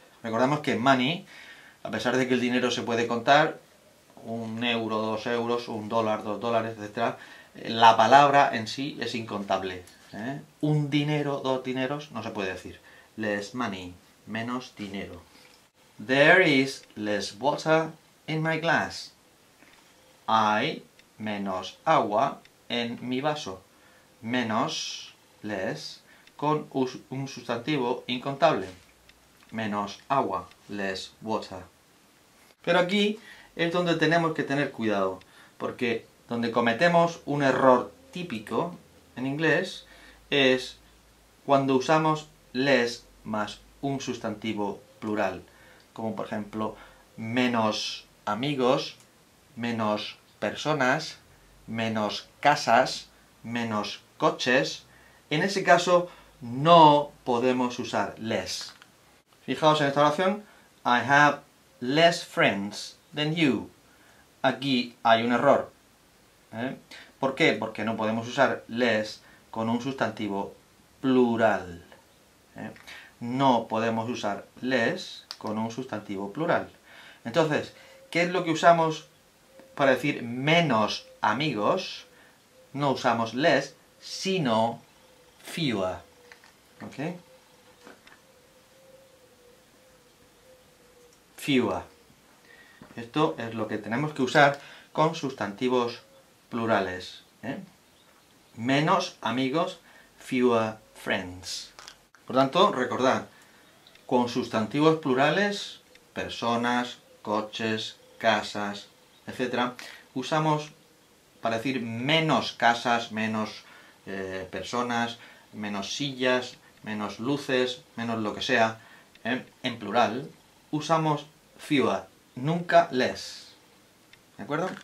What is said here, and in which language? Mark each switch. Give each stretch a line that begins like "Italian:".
Spanish: Recordamos que money, a pesar de que el dinero se puede contar, un euro, dos euros, un dólar, dos dólares, etc., la palabra en sí es incontable. Un dinero, dos dineros, no se puede decir.
English: Less money,
Spanish: menos dinero.
English: There is less water in my glass.
Spanish: Hay menos agua en mi vaso. Menos,
English: less,
Spanish: con un sustantivo incontable. Menos agua,
English: less water.
Spanish: Pero aquí es donde tenemos que tener cuidado, porque donde cometemos un error típico en inglés es cuando usamos less más un sustantivo plural, como por ejemplo menos amigos, menos personas, menos casas, menos coches. En ese caso no podemos usar less. Fijaos en esta oración.
English: I have less friends than you.
Spanish: Aquí hay un error. ¿Por qué? Porque no podemos usar less con un sustantivo plural. No podemos usar less con un sustantivo plural. Entonces, ¿qué es lo que usamos para decir menos amigos? No usamos less, sino fewer. ¿Ok? Fewer. Esto es lo que tenemos que usar con sustantivos plurales. Menos amigos,
English: fewer friends.
Spanish: Por tanto, recordad, con sustantivos plurales, personas, coches, casas, etc., usamos para decir menos casas, menos personas, menos sillas, menos luces, menos lo que sea, en plural, usamos fewer, nunca less. ¿De acuerdo?